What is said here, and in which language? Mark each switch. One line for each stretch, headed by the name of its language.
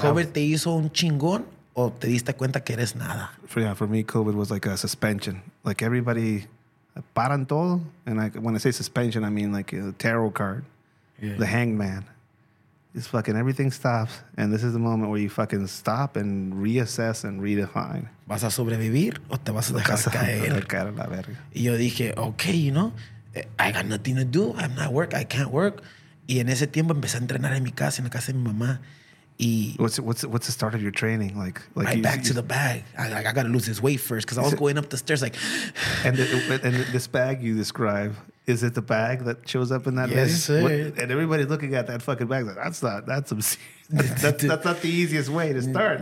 Spanish: COVID te hizo un chingón o te diste cuenta que eres nada.
English: For me, COVID was like a suspension. Like everybody,
Spanish: paran todo.
English: And like, when I say suspension, I mean like a tarot card. Yeah. The hangman. It's fucking everything stops, and this is the moment where you fucking stop and reassess and redefine.
Spanish: ¿Vas a sobrevivir o te vas a dejar caer? Caer a la verga. Y yo dije,
English: okay, you know, I got nothing to do. I'm not work. I can't work.
Spanish: Y en ese tiempo empecé a entrenar en mi casa, en la casa de mi mamá. Y
English: what's the start of your training? Like right back to the bag. I got to lose this weight first because I was going up the stairs like. and this bag you describe. Is it the bag that shows up in that? Yes, lady? Sir. What, and everybody's looking at that fucking bag. Like, that's obscene. That's not the easiest way to start.